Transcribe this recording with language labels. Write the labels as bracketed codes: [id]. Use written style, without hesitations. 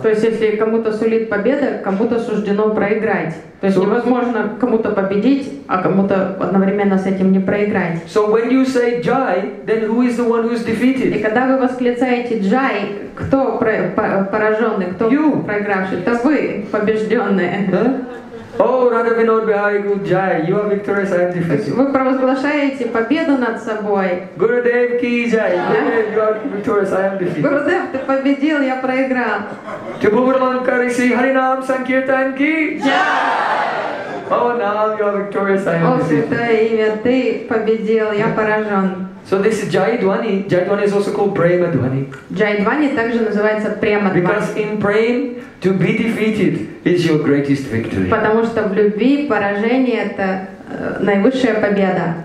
[ru] То есть если кому-то сулит победа, кому-то суждено проиграть. То есть невозможно кому-то победить, а кому-то одновременно с этим не проиграть. [en] So when you say Jai, then who is the one who is defeated? [ru] И когда вы восклицаете Jai, кто пораженный, кто [en] you. [ru] Проигравший? Это вы, побежденные. [en] Oh, [hi] Radha Vinod Bihari Jai, [en] you are victorious, I am defeated. [ru] Вы провозглашаете победу над собой. [hi] Gurudev Ki Jai, [en] you are victorious, I am defeated. [ru] Gurudev, ты победил, я проиграл. [hi] Tibhuvramankari Sri Harinam Sankirtan Ki Jai. [en] Oh, now you are victorious, I am defeated. [ru] О, святое имя, ты победил, я поражен. [en] So this is Jaidwani. Jaidwani is also called Prema Dwani. [ru] Jaidwani также называется Prema Dwani. [en] Because in Prem, to be defeated is your greatest victory. [ru] Потому что в любви поражение это наивысшая победа.